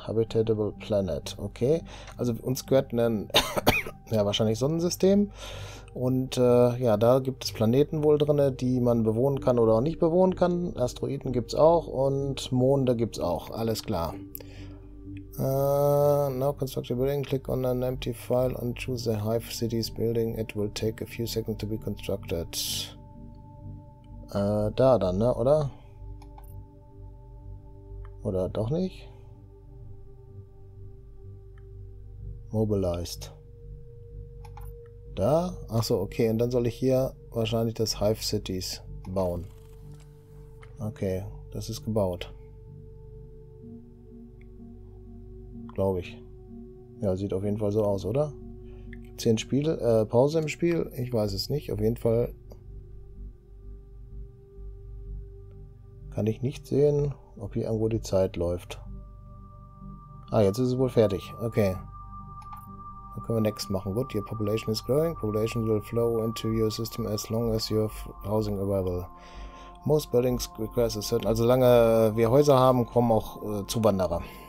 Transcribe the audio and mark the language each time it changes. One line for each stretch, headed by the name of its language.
English: Habitable Planet.
German: Okay, also uns gehört ein, ja, wahrscheinlich Sonnensystem. Und ja, da gibt es Planeten wohl drin, die man bewohnen kann oder auch nicht bewohnen kann. Asteroiden gibt es auch und Monde gibt es auch. Alles klar.
English: Now construct your building. Click on an empty file and choose the Hive City's building. It will take a few seconds to be constructed.
German: Da dann, ne, oder? Oder doch nicht? Mobilized. Da? Ach so, okay. Und dann soll ich hier wahrscheinlich das Hive Cities bauen. Okay, das ist gebaut. Glaube ich. Ja, sieht auf jeden Fall so aus, oder? Gibt es hier ein Spiel, Pause im Spiel? Ich weiß es nicht. Auf jeden Fall Kann ich nicht sehen, ob hier irgendwo die Zeit läuft. Ah, jetzt ist es wohl fertig. Okay. Dann können wir next machen.
English: Gut, your population is growing. Population will flow into your system as long as your housing available. Most buildings require a certain...
German: Also solange wir Häuser haben, kommen auch Zuwanderer.